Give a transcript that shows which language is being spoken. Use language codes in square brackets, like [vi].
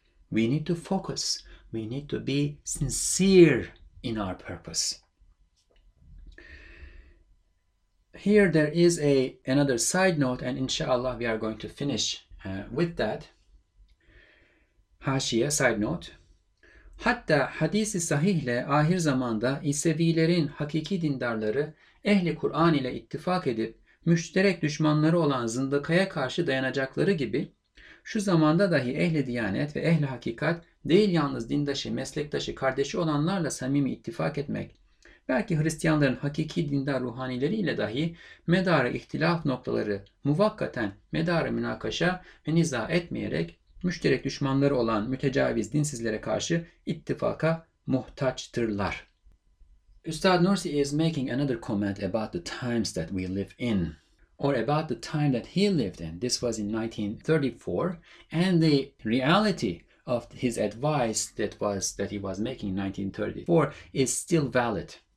[en] We need to focus. We need to be sincere in our purpose. Here there is another side note, and inshallah we are going to finish with that. Haşiye, side note. [tr] Hatta hadis-i sahihle ahir zamanda İsevilerin hakiki dindarları ehli Kur'an ile ittifak edip müşterek düşmanları olan zındıkaya karşı dayanacakları gibi şu zamanda dahi ehli diyanet ve ehli hakikat değil yalnız dindaşı, meslektaşı, kardeşi olanlarla samimi ittifak etmek, belki Hristiyanların hakiki dindar ruhanileriyle dahi medarı ihtilaf noktaları muvakkaten medarı münakaşa ve niza etmeyerek müşterek düşmanları olan mütecaviz dinsizlere karşı ittifaka muhtaçtırlar. [en] Üstad Nursi is making another comment about the times that we live in, or about the time that he lived in. This was in 1934, and the reality of his advice that he was making in 1934 is still valid.